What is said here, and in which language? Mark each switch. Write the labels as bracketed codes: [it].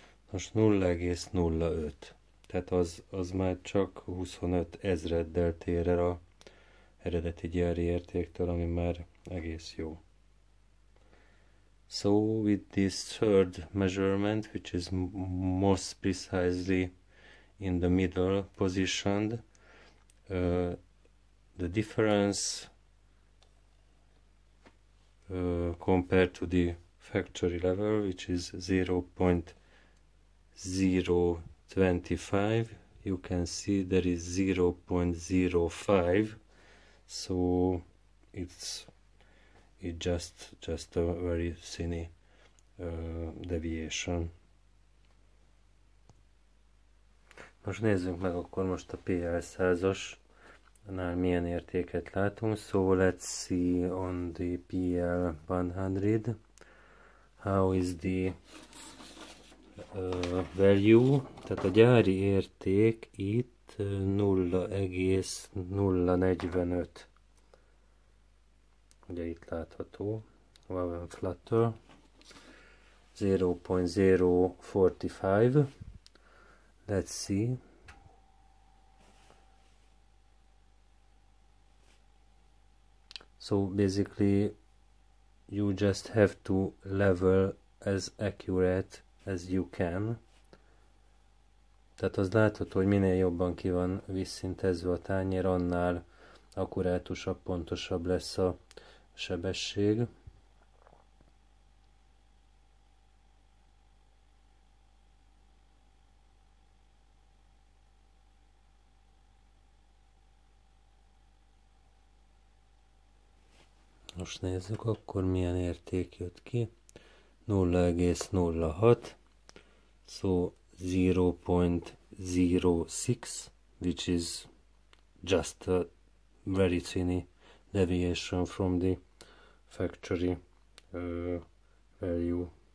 [hu] Most 0,05, tehát az már csak 25 ezreddel tér el a eredeti gyári értéktől, ami már egész jó. [en] So with this third measurement, which is most precisely in the middle positioned, the difference compared to the factory level, which is 0.025, you can see there is 0.05, so it's just a very tiny deviation. [hu] Most nézzük meg akkor most a PL100-asnál milyen értéket látunk. [en] So let's see on the PL100 how is the value, [hu] tehát a gyári érték itt 0,045. Ugye itt látható, Wavell Flutter 0.045. [en] Let's see. So basically, you just have to level as accurate as you can. [hu] Tehát az látható, hogy minél jobban ki van visszintezve a tányér, annál akkurátusabb, pontosabb lesz a sebesség. Most nézzük akkor, milyen érték jött ki. 0,06. [en] So 0.06, which is just a very tiny deviation from the factory value.